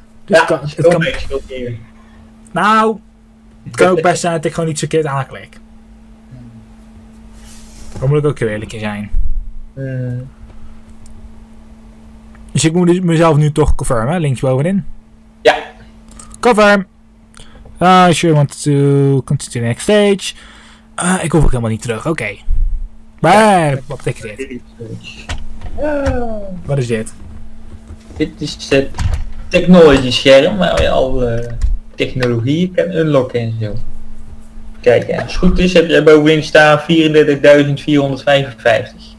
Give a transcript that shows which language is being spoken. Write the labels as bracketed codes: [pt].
[nl] Dus ja, het kan... Een beetje. Nou, het kan ook best zijn dat ik gewoon iets verkeerd aanklik. Daar moet ik ook eerlijk in zijn. Dus ik moet mezelf nu toch confirmen, linksbovenin. Ja. [en] Confirm. Sure want to continue to the next stage. [nl] Ik hoef ook helemaal niet terug, oké. Maar, ja. Wat betekent dit? Ja. Wat is dit? Dit is het technology scherm waar je al technologie kan unlocken en zo. Kijk, ja. Als het goed is heb je bovenin staan 34.455.